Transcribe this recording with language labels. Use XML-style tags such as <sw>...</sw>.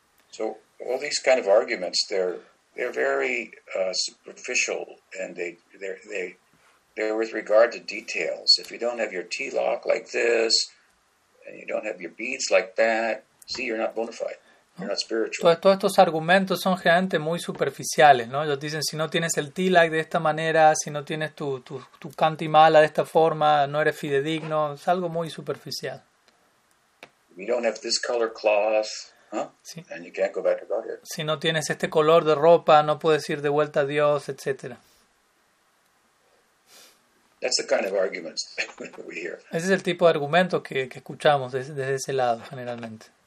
<en>So, all these kind of arguments, they're very superficial, and they're with regard to details. If you don't have your tealock like this, and you don't have your beads like that, see, you're not bona fide.</en> <es>Todos estos argumentos son generalmente muy superficiales, ¿no? Ellos dicen, si no tienes el tilak de esta manera, si no tienes tu kanti mala de esta forma, no eres fidedigno, es algo muy superficial.</es> <en>We don't have this color cloth, huh?</en> <es>Sí.</es> <en>And you can't go back to God.</en> <es>Si no tienes este color de ropa, no puedes ir de vuelta a Dios, etc.</es> <en>That's the kind of arguments that we hear.</en> <es>Ese es el tipo de argumentos que escuchamos desde ese lado, generalmente.</es>